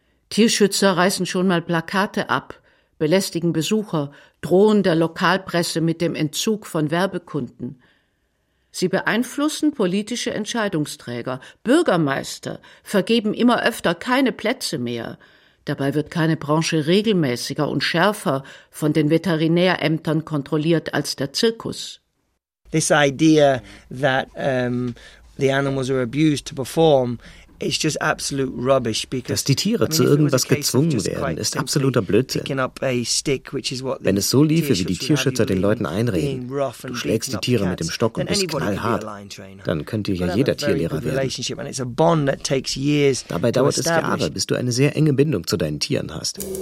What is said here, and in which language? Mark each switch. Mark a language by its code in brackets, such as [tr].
[de] Tierschützer reißen schon mal Plakate ab, belästigen Besucher, drohen der Lokalpresse mit dem Entzug von Werbekunden. Sie beeinflussen politische Entscheidungsträger, Bürgermeister, vergeben immer öfter keine Plätze mehr. Dabei wird keine Branche regelmäßiger und schärfer von den Veterinärämtern kontrolliert als der Zirkus. [en] This idea that the animals are abused to perform is just absolute rubbish. [de] Dass die Tiere zu irgendwas gezwungen werden, ist absoluter Blödsinn. Wenn es so liefe, wie die Tierschützer den Leuten einreden, du schlägst die Tiere mit dem Stock und bist knallhart, dann könnte ja jeder Tierlehrer werden. Dabei dauert es Jahre, bis du eine sehr enge Bindung zu deinen Tieren hast.